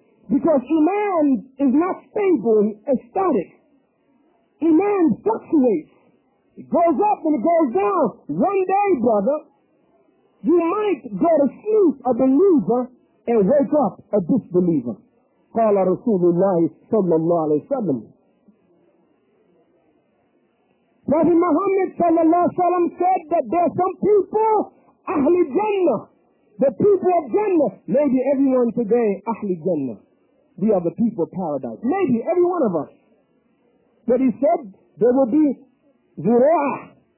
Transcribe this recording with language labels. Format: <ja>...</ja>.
<en>Because iman is not stable and static. Iman fluctuates. It goes up and it goes down. One day, brother, you might go to sleep a believer and wake up a disbeliever.</en> <ar>قال رسول الله صلى الله عليه وسلم.</ar> <en>Prophet Muhammad</en> <ar>صلى الله عليه وسلم</ar> <en>said that there are some people, Ahli Jannah, the people of Jannah. Maybe everyone today, Ahli Jannah. We are the people of paradise. Maybe every one of us. But he said there will be zira'ah</en>